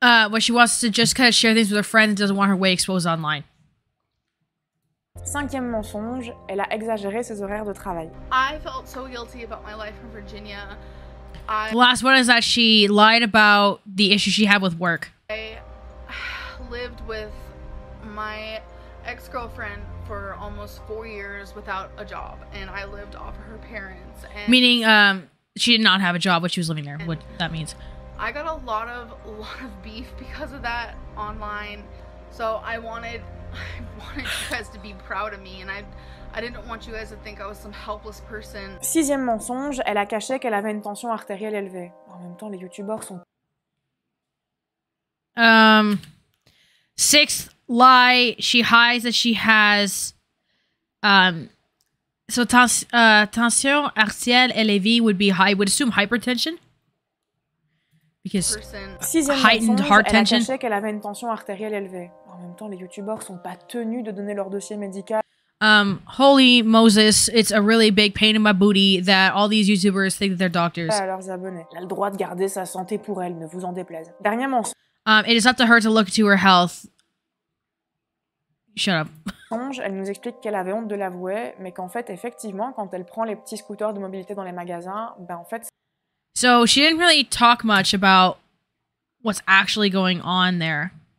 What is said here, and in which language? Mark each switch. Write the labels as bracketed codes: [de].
[en] Well, she wants to just kind of share things with her friends and doesn't want her weight exposed online. [fr] Cinquième mensonge, elle a exagéré ses horaires de travail. [en] I felt so guilty about my life in Virginia. The last one is that she lied about the issue she had with work. I lived with my ex-girlfriend for almost 4 years without a job, and I lived off her parents. And meaning, she did not have a job, but she was living there, what that means. I got a lot of beef because of that online, so I wanted you guys to be proud of me, and I didn't want you guys to think I was some helpless person. [fr] Sixième mensonge, elle a caché qu'elle avait une tension artérielle élevée. En même temps, les youtubeurs sont... [en] Sixth lie, she hides that she has... [fr] tension artérielle élevée [en] would be high, would assume hypertension. Because heightened heart tension. [fr] Elle a caché qu'elle avait une tension artérielle élevée. En même temps, les youtubeurs sont pas tenus de donner leur dossier médical. [en] Holy Moses, it's a really big pain in my booty that all these youtubers think that they're doctors. [fr] À leurs abonnés. Elle a le droit de garder sa santé pour elle, ne vous en déplaise. Dernière mensonge. [en] It is up to her to look to her health. Shut up. [fr] Elle nous explique qu'elle avait honte de l'avouer, mais qu'en fait, effectivement, quand elle prend les petits scooters de mobilité dans les magasins, ben en fait... [en] So, she didn't really talk much about what's actually going on there.